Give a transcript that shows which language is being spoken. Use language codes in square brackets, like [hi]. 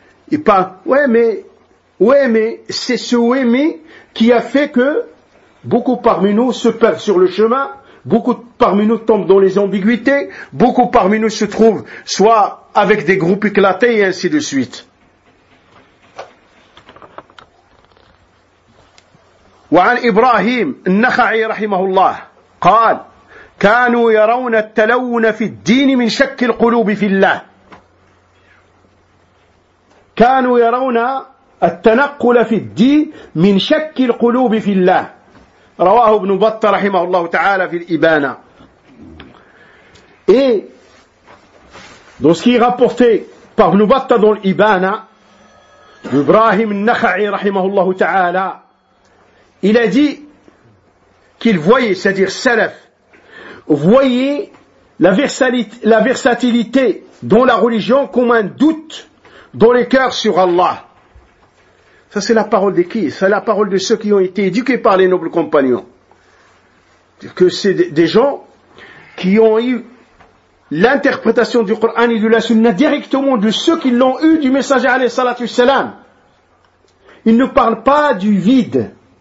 [fr] Et par, mais, c'est ce mais qui a fait que beaucoup parmi nous se perdent sur le chemin, beaucoup parmi nous tombent dans les ambiguïtés, beaucoup parmi nous se trouvent soit avec des groupes éclatés et ainsi de suite. [ar] وعن إبراهيم النخعي رحمه الله قال كانوا يرون التلون في الدين من شك القلوب في الله كانوا يرون التنقل في الدين من شك القلوب في الله رواه ابن بطة رحمه الله تعالى في الإبانة [fr] dans ce qui est rapporté par ابن بطة dans الإبانة إبراهيم النخعي [ar] رحمه الله تعالى [fr] il a dit qu'il voyait, c'est-à-dire salaf, voyait la versatilité dans la religion comme un doute dans les cœurs sur Allah. Ça c'est la parole de qui? C'est la parole de ceux qui ont été éduqués par les nobles compagnons. Que c'est des gens qui ont eu l'interprétation du Coran et de la Sunna directement de ceux qui l'ont eu du messager alayhi salatu salam. Ils ne parlent pas du vide.